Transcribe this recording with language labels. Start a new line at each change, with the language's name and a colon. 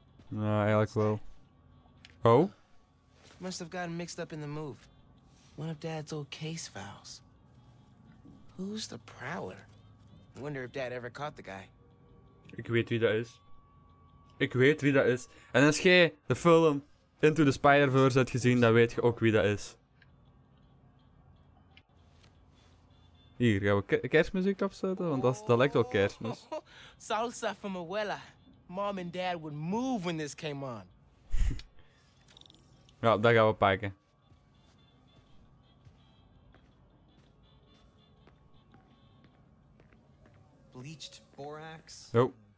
English: Nah, Alex will. Oh? Must have gotten mixed up in the move. One of dad's old case files. Who's the Prowler? I wonder if dad ever caught the guy.
Dutch: Ik weet wie dat is. Ik weet wie dat is. En als jij de film Into the Spider-Verse hebt gezien, dan weet je ook wie dat is. Hier, gaan we kerstmuziek opzetten? Want dat lijkt wel kerstmis.
English: Salsa from abuela. Mom and dad would move when this came on.
Dutch: Ja, dat gaan we pakken.
English: Bleached borax. Oh.